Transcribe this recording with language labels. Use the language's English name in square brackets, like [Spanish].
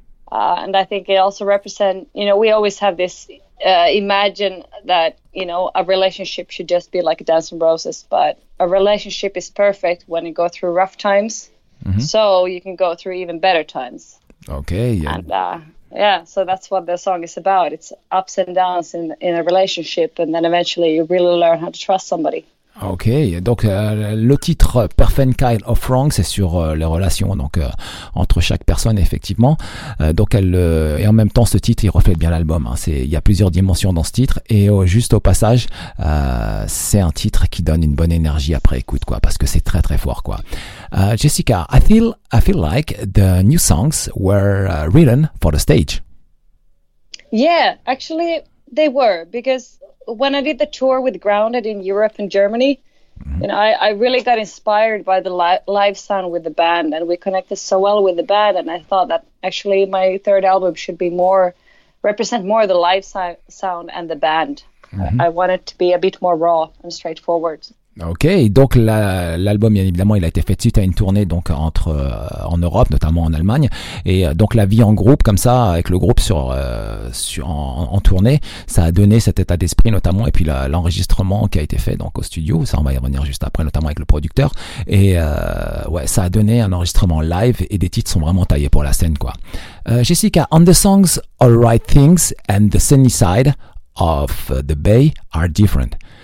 [English] And I think it also represents, we always have this imagine that, a relationship should just be like a Dance and Roses, but a relationship is perfect when you go through rough times, mm-hmm. so you can go through even better times. Okay. Yeah. And so that's what the song is about. It's ups and downs in a relationship, and then eventually you really learn how to trust somebody. [French] Okay, donc le titre Perfect Kind of Wrong, c'est sur les relations donc entre chaque personne, effectivement. Et en même temps, ce titre, il reflète bien l'album. Il y a plusieurs dimensions dans ce titre, et juste au passage, c'est un titre qui donne une bonne énergie après écoute, quoi, parce que c'est très très fort, quoi. [English] Jessica, I feel like the new songs were written for the stage. Yeah, actually, they were, because when I did the tour with Grounded in Europe and Germany, I really got inspired by the live sound with the band, and we connected so well with the band, and I thought that actually my third album should be represent more the live sound and the band. Mm-hmm. I want it to be a bit more raw and straightforward. [French] Ok, donc l'album, bien évidemment, il a été fait suite à une tournée donc en Europe, notamment en Allemagne, et donc la vie en groupe comme ça, avec le groupe en tournée, ça a donné cet état d'esprit notamment, et puis l'enregistrement qui a été fait donc au studio, ça on va y revenir juste après, notamment avec le producteur, et ça a donné un enregistrement live, et des titres sont vraiment taillés pour la scène, quoi. [English] Jessica, on the songs All Right Things and The Sunny Side of the Bay are different.